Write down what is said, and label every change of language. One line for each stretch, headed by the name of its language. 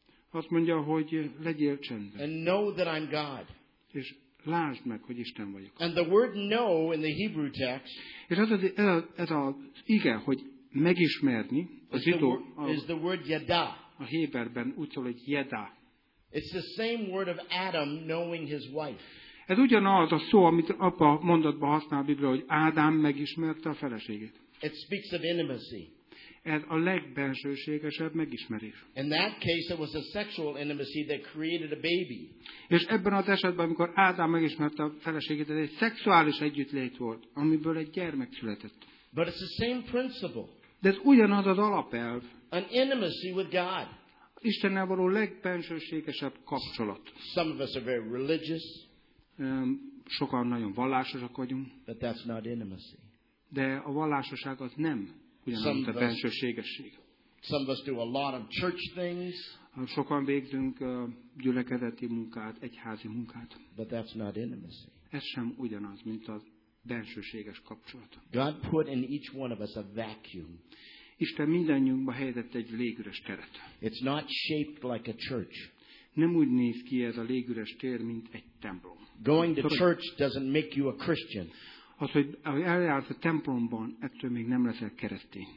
Hungarian: Azt mondja, hogy legyél csendben.
English: And know that I'm God.
Hungarian: És lásd meg, hogy Isten vagyok.
English: And the word know in the Hebrew text.
Hungarian: És ez az ige, hogy megismerni, az zsidó,
English: is the word yada.
Hungarian: A héberben úgy szól, hogy yada.
English: It's the same word of Adam knowing his wife.
Hungarian: Ez ugyanaz a szó, amit apa mondatban használ a Biblia, hogy Ádám megismerte a feleségét.
English: It speaks of intimacy.
Hungarian: Ez a legbensőségesebb megismerés.
English: In that case, it was a sexual intimacy that created a baby.
Hungarian: És ebben az esetben, amikor Ádám megismerte a feleségét, ez egy szexuális együttlét volt, amiből egy gyermek született.
English: But it's the same principle.
Hungarian: De ez ugyanaz az alapelv.
English: An intimacy with God.
Hungarian: Istennel való legbensőségesebb kapcsolat.
English: Some of us are very religious.
Hungarian: Sokan nagyon vallásosak vagyunk.
English: But that's not intimacy.
Hungarian: De a vallásosság az nem ugyanaz a bensőségesség.
English: Some of us do a lot of church things.
Hungarian: Sokan végzünk gyülekezeti munkát, egyházi munkát.
English: But that's not intimacy.
Hungarian: Ez sem ugyanaz, mint az bensőséges kapcsolat.
English: God put in each one of us a vacuum.
Hungarian: Isten mindannyiunkba helyezett egy légüres teret.
English: It's not shaped like a church.
Hungarian: Nem úgy néz ki ez a légüres tér, mint egy templom.
English: Going to church doesn't make you a Christian.
Hungarian: Az, hogy eljársz a templomban, ettől még nem leszel keresztény.